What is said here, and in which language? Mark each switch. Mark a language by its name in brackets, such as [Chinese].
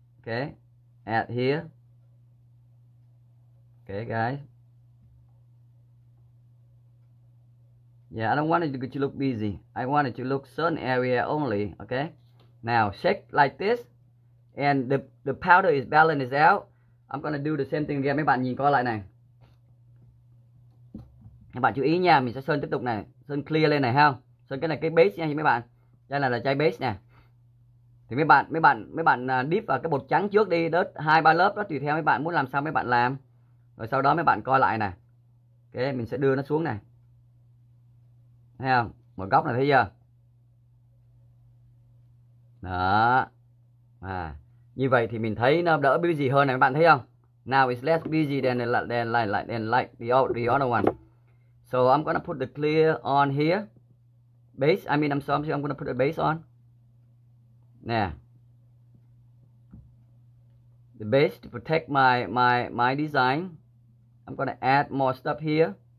[English] Okay, add here. Okay, guys. Yeah, I don't want it to look busy. I want it to look certain area only. Okay. Now shake like this, and the powder is balanced out. I'm gonna do the same thing again. [Vietnamese] Mấy bạn nhìn coi lại này. Các bạn chú ý nha, mình sẽ sơn tiếp tục này, sơn clear lên này ha. Sơn cái này cái base nha, mấy bạn. Đây là chai base nè. Thì mấy bạn dip vào cái bột trắng trước đi, đớt 2-3 lớp đó, tùy theo mấy bạn muốn làm sao mấy bạn làm. Rồi sau đó mấy bạn coi lại này. Okay, mình sẽ đưa nó xuống này. Thấy không? Một góc này, thấy chưa? Đó. À, như vậy thì mình thấy nó đỡ busy hơn này, các bạn thấy không? [English] Now it's less busy than like the other one. So I'm gonna put the clear on here. Base, I mean, I'm gonna put the base on. [Vietnamese] Nè. [English] The base to protect my design. I'm gonna add more stuff here.